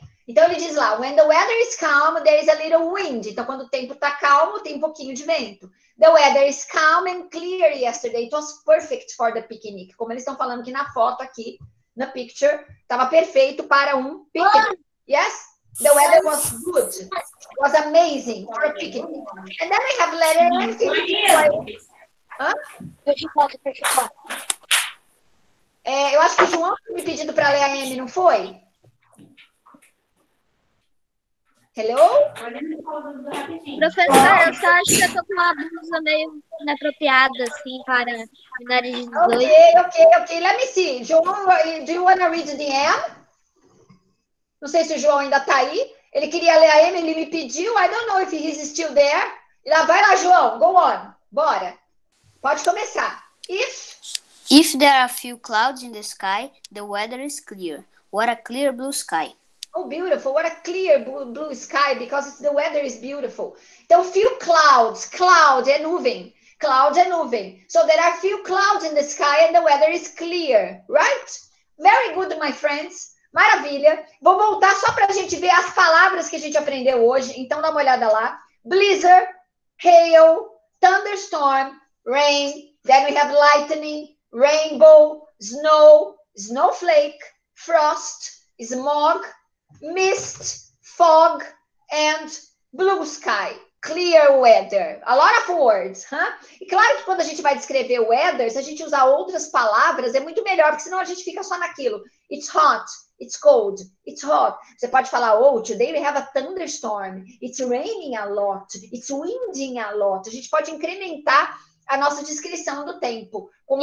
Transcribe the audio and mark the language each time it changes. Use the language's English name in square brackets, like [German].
[Portuguese] Então, ele diz lá, [English] when the weather is calm, there is a little wind. [Portuguese] Então, quando o tempo está calmo, tem um pouquinho de vento. [English] The weather is calm and clear yesterday. It was perfect for the picnic. [Portuguese] Como eles estão falando aqui na foto, aqui, na picture, estava perfeito para um picnic. [English] Yes? The weather was good. It was amazing for a picnic. And then I have letter M. Huh? [Portuguese] É, eu acho que o João me pedindo para ler a M, não foi? [English] Hello? [Portuguese] Professor, eu só acho que eu tô com uma blusa meio inapropriada, assim, para finalizar de 18. [English] Ok. Let me see. João, do you want to read the M? [Portuguese] Não sei se o João ainda tá aí. Ele queria ler a M, ele me pediu. [English] I don't know if he's still there. [Portuguese] Lá, vai lá, João. [English] Go on. [Portuguese] Bora. Pode começar. [English] If? If there are a few clouds in the sky, the weather is clear. What a clear blue sky. Oh, beautiful. What a clear blue sky, because it's, the weather is beautiful. [Portuguese] Então, few clouds. Cloud é nuvem. Cloud é nuvem. [English] So, there are few clouds in the sky and the weather is clear. Right? Very good, my friends. Maravilha. [Portuguese] Vou voltar só para a gente ver as palavras que a gente aprendeu hoje. Então, dá uma olhada lá. Blizzard, hail, thunderstorm, rain. [English] Then we have lightning, rainbow, snow, snowflake, frost, smog, mist, fog, and blue sky, clear weather. A lot of words, huh? [Portuguese] E claro que quando a gente vai descrever weather, se a gente usar outras palavras, é muito melhor, porque senão a gente fica só naquilo. [English] It's hot, it's cold, it's hot. [Portuguese] Você pode falar, oh, [English] today we have a thunderstorm, it's raining a lot, it's winding a lot. [Portuguese] A gente pode incrementar a nossa descrição do tempo. Como